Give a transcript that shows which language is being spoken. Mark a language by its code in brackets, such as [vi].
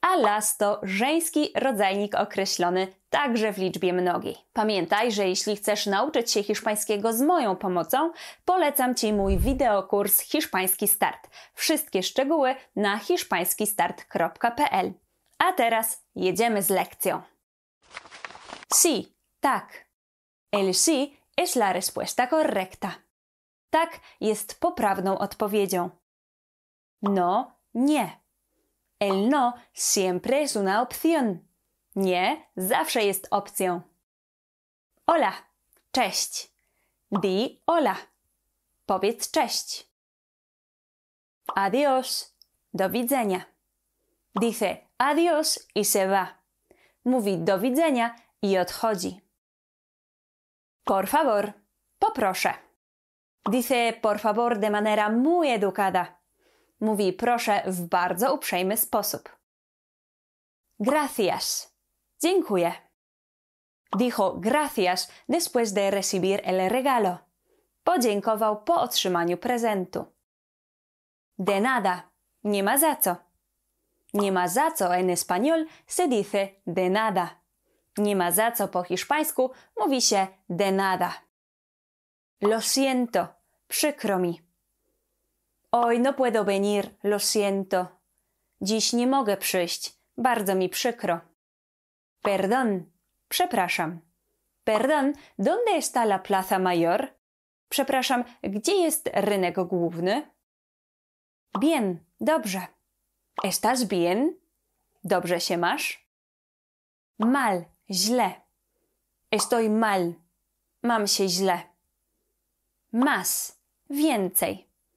[pl] A las to żeński rodzajnik określony także w liczbie mnogiej. Pamiętaj, że jeśli chcesz nauczyć się hiszpańskiego z moją pomocą, polecam Ci mój wideokurs Hiszpański Start. Wszystkie szczegóły na hiszpańskistart.pl. A teraz jedziemy z lekcją. [es] Sí, [pl] tak. [es] El sí es la respuesta correcta. [pl] Tak, jest poprawną odpowiedzią. [es] No, [pl] nie. [es] El no siempre es una opción. [pl] Nie, zawsze jest opcją. [es] Hola, [pl] cześć. [es] Di hola. [pl] Powiedz cześć. [es] Adiós, [pl] do widzenia. [es] Dice adiós y se va. [pl] Mówi do widzenia i odchodzi. [es] Por favor, [pl] poproszę. [es] Dice por favor de manera muy educada. [pl] Mówi proszę w bardzo uprzejmy sposób. [es] Gracias. [pl] Dziękuję. [es] Dijo gracias después de recibir el regalo. [pl] Podziękował po otrzymaniu prezentu. [es] De nada. [pl] Nie ma za co. Nie ma za co [es] en español se dice de nada. [pl] Nie ma za co po hiszpańsku mówi się [es] de nada. Lo siento. [pl] Przykro mi. [es] Hoy no puedo venir, lo siento. [pl] Dziś nie mogę przyjść, bardzo mi przykro. [es] Perdón, [pl] przepraszam. [es] Perdón, ¿dónde está la plaza mayor? [pl] Przepraszam, gdzie jest rynek główny? [es] Bien, [pl] dobrze. [es] ¿Estás bien? [pl] Dobrze się masz? [es] Mal, [pl] źle. [es] Estoy mal, [pl] mam się źle. [es] Más. [pl] Więcej.